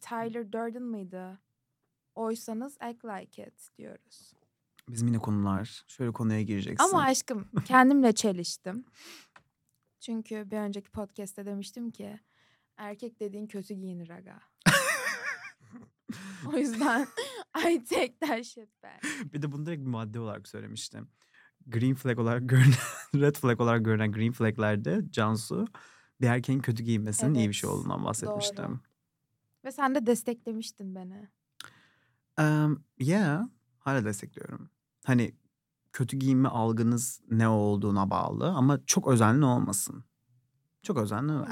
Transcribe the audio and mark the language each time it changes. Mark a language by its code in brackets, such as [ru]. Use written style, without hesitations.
[tr] Tyler Durden mıydı? Oysanız [en] act like it [tr] diyoruz. Bizim yine konular. Şöyle konuya gireceksin. Ama aşkım kendimle çeliştim. Çünkü bir önceki podcast'te demiştim ki erkek dediğin kötü giyinir aga. O yüzden [en] I take that shit back. [tr] Bir de bunu direkt bir madde olarak söylemiştim. Green flag olarak görünen, red flag olarak görünen green flag'lerde Cansu bir erkeğin kötü giyinmesinin evet, iyi bir şey olduğundan bahsetmiştim. Doğru. Ve sen de desteklemiştin beni. Yeah, hala destekliyorum. Hani... Kötü giyinme algınız ne olduğuna bağlı ama çok özenli olmasın. Çok özenli. Olmasın.